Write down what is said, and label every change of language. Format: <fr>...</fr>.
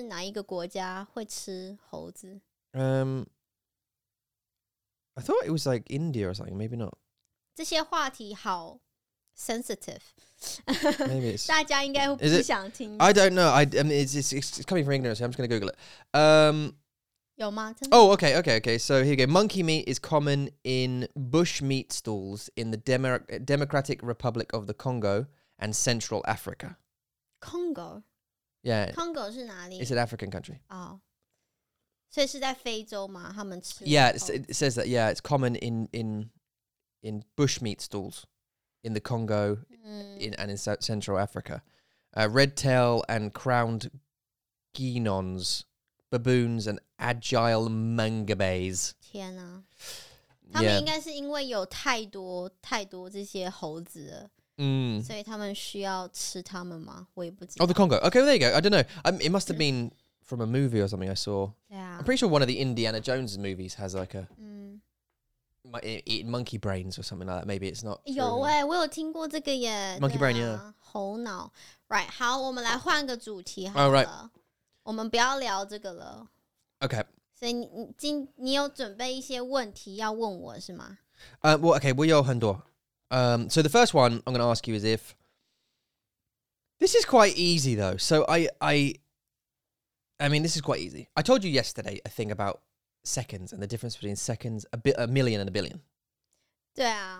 <zh>我也有听过，但是我不确定是哪一个国家会吃猴子。</zh> <en>I thought it was like India or something, maybe not.</en> <zh>这些话题好</zh> <en>sensitive. Maybe it's...</en> <zh>大家应该不想听。</zh> <en>I don't know, I mean, it's coming from ignorance, so I'm just going to Google it.</en> <zh>有吗?</zh> <en>Oh, okay, so here you go. Monkey meat is common in bush meat stalls in the Democratic Republic of the Congo and Central Africa. Congo? Yeah.</en> <zh>Congo是哪里?</zh> <en>It's an African country.</en> <zh>Oh. 所以是在非洲吗?他们吃猴子?</zh> <en>Yeah, it says that, yeah, it's common in bush meat stalls in the Congo and in Central Africa. Red tail and crowned guinons, baboons and agile mangabeys.</en> <zh>天啊，他们应该是因为有太多太多这些猴子了，所以他们需要吃他们吗？我也不知道。</zh> <en>Oh, the Congo. Okay, well, there you go. I don't know. It must have been from a movie or something I saw. Yeah. I'm pretty sure one of the Indiana Jones movies has like a eat monkey brains or something like that. Maybe it's not.</en> <zh>有耶、欸、我有听过这个耶。</zh> <en>Monkey、啊、 brain, yeah.</en> <zh>猴脑。Right, 好，我们来换个主题好了。</zh> <en>Oh, right.</en> <zh>我们不要聊这个了。</zh> <en>Okay.</en> <zh>所以 你有准备一些问题要问我是吗？ Well, okay, 我有很多。</zh> <en>So the first one I'm going to ask you is if, this is quite easy though. So I mean, this is quite easy. I told you yesterday a thing about seconds and the difference between seconds, a million and a billion.</en> <zh>对啊。</zh>